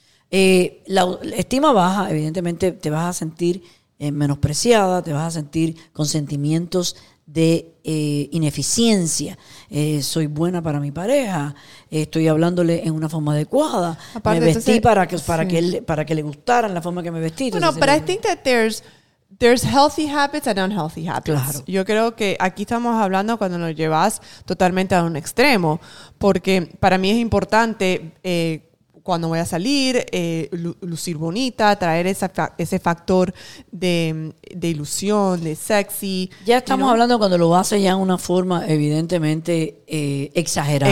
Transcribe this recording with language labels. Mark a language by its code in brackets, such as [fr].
[es] La estima baja, evidentemente te vas a sentir menospreciada, te vas a sentir con sentimientos de ineficiencia. Soy buena para mi pareja, estoy hablándole en una forma adecuada, aparte, me vestí entonces, para que le gustara la forma que me vestí. Bueno, pero [en] I think that there's healthy habits and unhealthy habits. [es] Claro. Yo creo que aquí estamos hablando cuando lo llevas totalmente a un extremo, porque para mí es importante cuando voy a salir, lucir bonita, traer ese factor de ilusión, de sexy. Ya estamos hablando cuando lo haces ya en una forma evidentemente exagerada.